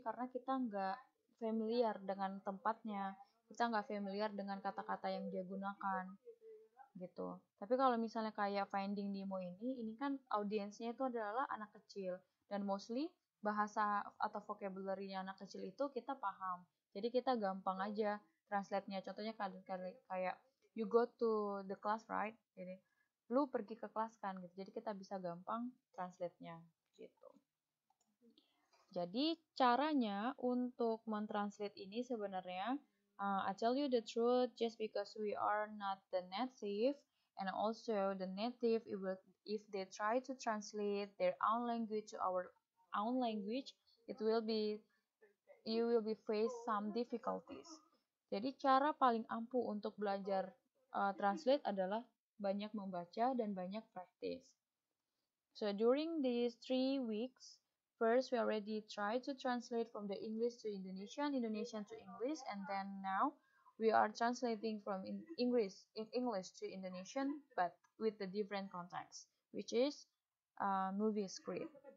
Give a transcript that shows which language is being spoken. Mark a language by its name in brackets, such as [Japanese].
[Indonesian] Karena kita nggak familiar dengan tempatnya, kita nggak familiar dengan kata-kata yang dia gunakan gitu. Tapi kalau misalnya kayak Finding Nemo ini kan audiensnya itu adalah anak kecil dan mostly bahasa atau vocabulary-nya anak kecil itu kita paham. Jadi kita gampang aja translate-nya. Contohnya kayak [English] you go to the class, right? [Indonesian] Jadi lu pergi ke kelas kan gitu. Jadi kita bisa gampang translate-nya gitu. Jadi caranya untuk mentranslate ini sebenarnya [English] I tell you the truth just because we are not the native and also the native if they try to translate their own language to our own language, you will be face some difficulties. [Indonesian] Jadi cara paling ampuh untuk belajar translate adalah banyak membaca dan banyak praktis. [English] So during these 3 weeks, first we already try to translate from the English to Indonesian, Indonesian to English, and then now we are translating from English to Indonesian, but with the different context, which is movie script.